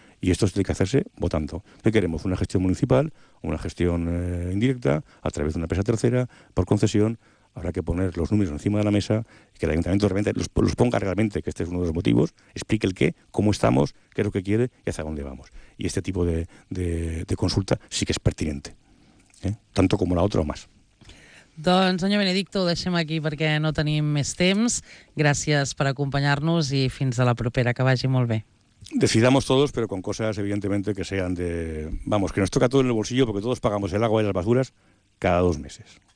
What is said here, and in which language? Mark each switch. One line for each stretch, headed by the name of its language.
Spanish: Y esto tiene que hacerse votando. ¿Qué queremos? ¿Una gestión municipal, una gestión indirecta, a través de una empresa tercera, por concesión? Habrá que poner los números encima de la mesa y que el ayuntamiento realmente los ponga realmente, que este es uno de los motivos, explique el qué, cómo estamos, qué es lo que quiere y hacia dónde vamos. Y este tipo de consulta sí que es pertinente, ¿eh? Tanto como la otra o más.
Catalan: Doncs, senyor Benedicto, ho deixem aquí perquè no tenim més temps. Gràcies per acompanyar-nos i fins a la propera. Que vagi molt bé.
Spanish: Decidamos todos, pero con cosas, evidentemente, que sean de... Vamos, que nos toca todo en el bolsillo porque todos pagamos el agua y las basuras cada dos meses.